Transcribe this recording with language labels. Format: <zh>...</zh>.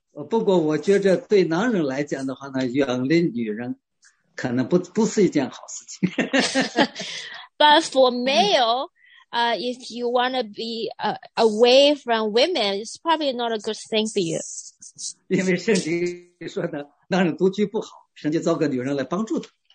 <zh>不过我觉得对男人来讲的话呢，远离女人可能不是一件好事情。</zh> <en>But for male, if you want to be away from women, it's probably not a good thing for you.</en> <zh>因为圣经说的男人独居不好。神就找个女人来帮助他。</zh>